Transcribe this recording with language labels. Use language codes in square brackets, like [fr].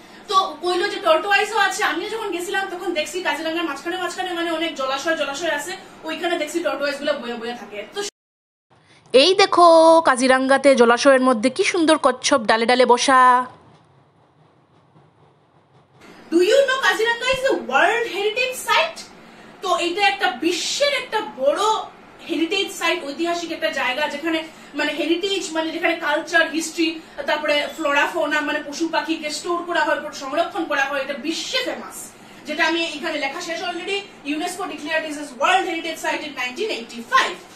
[bn] তো কইলো যে টর্টোয়াইজও আছে, আমি যখন গেছিলাম তখন দেখছি কাজিরাঙ্গার মাঝখানে মাঝখানে মানে অনেক জলাশয় জলাশয় আছে, ওইখানে দেখছি টর্টোয়াইজ গুলো বয়ে বয়ে থাকে। তো এই দেখো কাজিরাঙ্গাতে জলাশয়ের মধ্যে কি সুন্দর কচ্ছপ ডালে ডালে বসা। [en] Do you know Kaziranga is a world heritage site? [bn] তো এটা একটা বিশ্বের একটা বড় হেরিটেজ সাইট, ঐতিহাসিক একটা জায়গা, যেখানে মানে হেরিটেজ মানে যেখানে কালচার, হিস্ট্রি, তারপরে ফ্লোরা ফোনা মানে পশু পাখিকে স্টোর করা হয়, সংরক্ষণ করা হয়, এটা বিশ্বে ফেমাস। যেটা আমি এখানে লেখা শেষ already, [en] UNESCO declared this is world heritage site in 1985।